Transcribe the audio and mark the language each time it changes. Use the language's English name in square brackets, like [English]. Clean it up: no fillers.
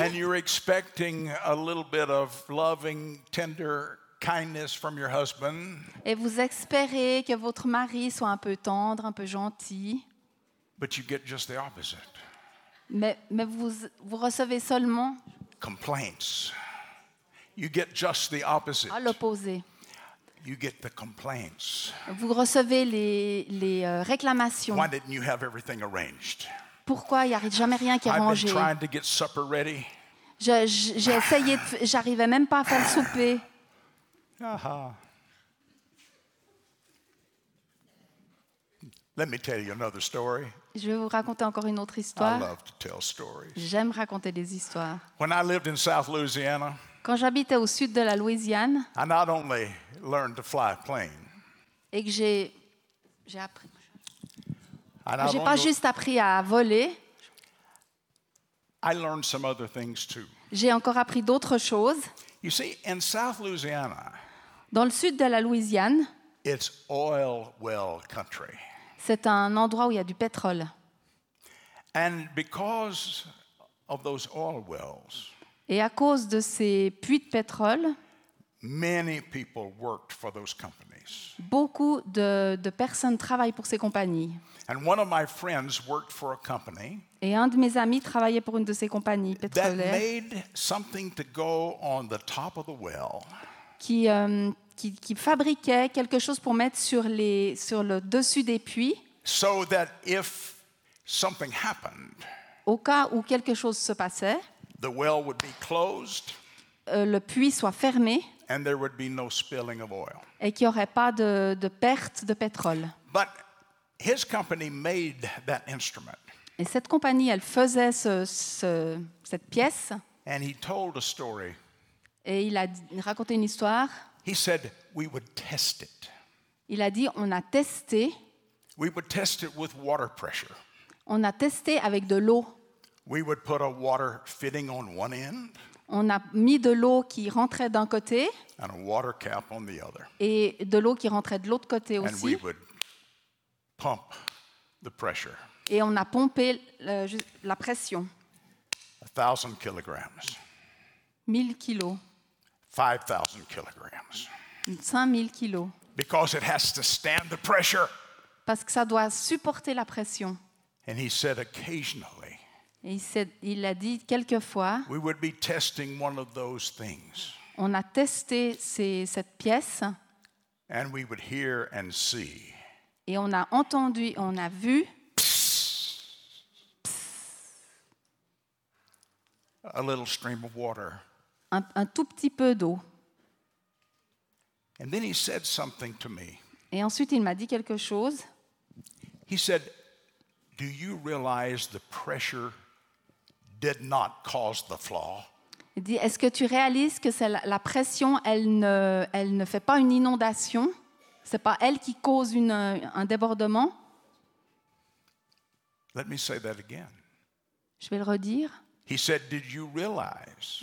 [English] And you're expecting a little bit of loving, tender kindness from your husband. [French] Et vous espérez que votre mari soit un peu tendre, un peu gentil. [English] But you get just the opposite. [French] Mais vous recevez seulement [English] complaints. You get just the opposite. [French] À l'opposé. [English] You get the complaints. [French] Vous recevez les réclamations. [English] Why didn't you have everything arranged? [French] Pourquoi il n'y a jamais rien qui est rangé? [English] I've been trying to get supper ready. [French] J'ai essayé, j'arrivais même pas à faire le souper. Uh-huh. [English] Let me tell you another story. [French] Je vais vous raconter encore une autre histoire. [English] I love to tell stories. [French] J'aime raconter des histoires. [English] When I lived in South Louisiana, [French] quand j'habitais au sud de la Louisiane, [English] I not only learned to fly a plane, [French] et que j'ai appris, j'ai pas juste appris à voler, [English] I learned some other things too. [French] J'ai encore appris d'autres choses. [English] You see, in South Louisiana, [French] dans le sud de la Louisiane, [English] it's oil well country. [French] C'est un endroit où il y a du pétrole. [English] And because of those oil wells, [French] et à cause de ces puits de pétrole, [English] many people worked for those companies. [French] Beaucoup de personnes travaillent pour ces compagnies. [English] And one of my friends worked for a company. [French] Et un de mes amis travaillait pour une de ces compagnies pétrolières. [English] That made something to go on the top of the well. [French] Qui fabriquait quelque chose pour mettre sur le dessus des puits. [English] So that if something happened, [French] au cas où quelque chose se passait, [English] the well would be closed, [French] le puits soit fermé [English] and there would be no spilling of oil. [French] Et qu'il n'y aurait pas de, de perte de pétrole. [English] But his company made that instrument. [French] Et cette compagnie, elle faisait cette pièce. [English] And he told a story. [French] Et il a raconté une histoire. [English] He said, we would test it. [French] Il a dit, on a testé. [English] We would test it with water pressure. [French] On a testé avec de l'eau. [English] We would put a water fitting on one end. [French] On a mis de l'eau qui rentrait d'un côté. [English] And a water cap on the other. [French] Et de l'eau qui rentrait de l'autre côté aussi. [English] And we would pump the pressure. [French] Et on a pompé la pression. [English] 1,000 kilograms. [French] 1,000 kilos. [English] 5,000 kilograms. [French] 5,000 kilos. [English] Because it has to stand the pressure. [French] Parce que ça doit supporter la pression. [English] And he said occasionally. [French] Et il a dit quelquefois. [English] We would be testing one of those things. [French] On a testé cette pièce. [English] And we would hear and see. [French] Et on a entendu, on a vu. [English] A little stream of water. [French] Un tout petit peu d'eau. [English] And then he said something to me. [French] Et ensuite il m'a dit quelque chose. [English] He said, "Do you realize the pressure did not cause the flaw?" [French] Il dit, est-ce que tu réalises que c'est la pression, elle ne fait pas une inondation? C'est pas elle qui cause un débordement? [English] Let me say that again. [French] Je vais le redire. [English] He said, "Did you realize?"